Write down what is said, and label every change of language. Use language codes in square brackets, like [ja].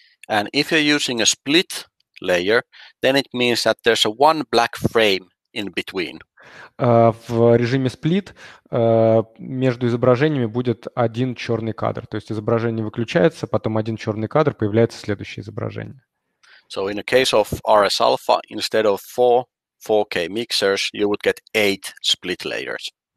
[en] And if you're using a split layer, then it means that there's a one black frame in between. [ru] В режиме сплит между изображениями будет один черный кадр. То есть изображение выключается, потом один черный кадр, появляется следующее изображение. [en] So in the case of RS Alpha, instead of 4K mixers, you would get 8 split layers.